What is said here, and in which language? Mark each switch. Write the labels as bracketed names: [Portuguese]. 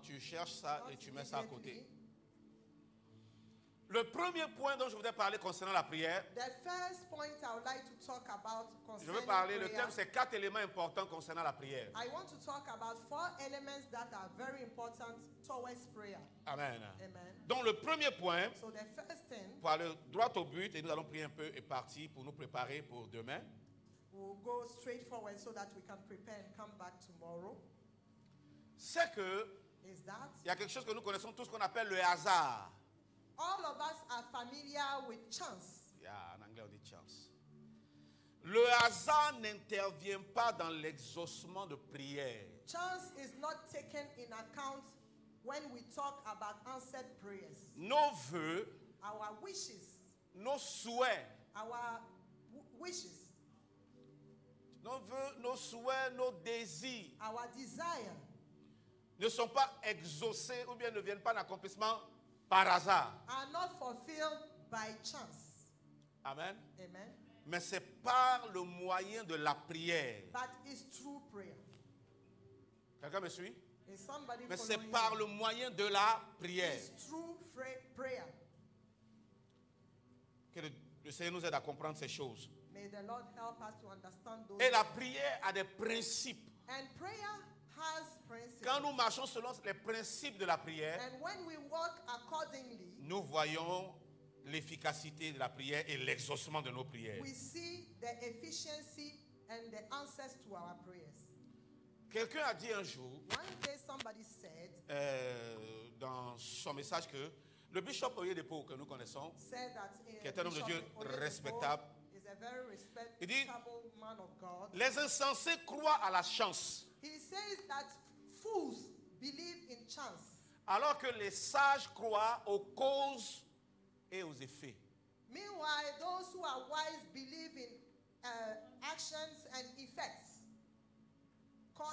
[French] Tu cherches ça et tu mets ça à côté. Le premier point dont je voudrais parler concernant la prière, [English] the first point I would like to talk about concerning [French] je veux parler, [English] prayer, [French] le thème c'est 4 éléments importants concernant la prière. [English] I want to talk about 4 elements that are very important towards prayer. Amen. Amen. [French] Donc le premier point, [English] so the first thing, [French] pour aller droit au but, et nous allons prier un peu et partir pour nous préparer pour demain. [English] We'll go straight forward so that we can prepare and come back tomorrow. [French] C'est que, [English] is that, [French] il y a quelque chose que nous connaissons tous qu'on appelle le hasard. [English] All of us are familiar with chance. [French] Yeah, en anglais on dit chance. Le hasard n'intervient pas dans l'exaucement de prières. [English] Chance is not taken in account when we talk about answered prayers. [French] Nos vœux, [English] our wishes, [French] nos souhaits, [English] our wishes, [French] nos vœux, nos souhaits, nos désirs, [English] our desire, [French] ne sont pas exaucés ou bien ne viennent pas en accomplissement par hasard. [English] Are not fulfilled by chance. Amen. Amen. [French] Mais c'est par le moyen de la prière. [English] But it's through prayer. [French] Quelqu'un me suit? [English] Is somebody [French] mais c'est par [English] you? [French] Le moyen de la prière. [English] It's through prayer. [French] Que le Seigneur nous aide à comprendre ces choses. [English] May the Lord help us to understand those [French] et [English] things. [French] La prière a des principes. [English] And prayer has principles. [French] Quand nous marchons selon les principes de la prière, [English] and when we walk accordingly, [French] nous voyons l'efficacité de la prière et l'exaucement de nos prières. [English] We see the efficiency and the answers to our prayers. [French] Quelqu'un a dit un jour, [English] one day somebody said, [French] dans son message que le bishop Oyedepo que nous connaissons, [English] said that, [French] qui est un homme de Dieu [English] Oyedepo [French] respectable, [English] is a very respectable [French] il dit, [English] man of God, [French] les insensés croient à la chance. [English] He says that fools believe in chance. [French] Alors que les sages croient aux causes et aux effets. [English] Meanwhile, those who are wise believe in actions and effects. Causes